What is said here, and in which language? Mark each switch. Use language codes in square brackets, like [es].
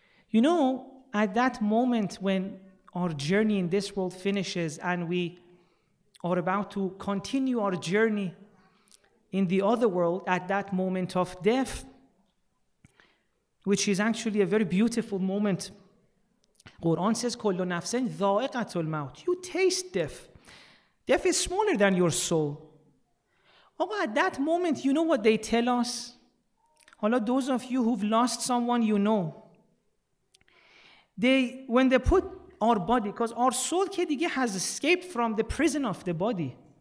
[en] You know, at that moment when our journey in this world finishes and we are about to continue our journey in the other world, at that moment of death, which is actually a very beautiful moment. Quran says, [ar] كُلُّ نَفْسٍ ذَائِقَةُ الْمَوْتِ. [en] You taste death. Death is smaller than your soul. Oh, at that moment, you know what they tell us? Allah, those of you who've lost someone, you know. When they put our body, because our soul has escaped from the prison of the body.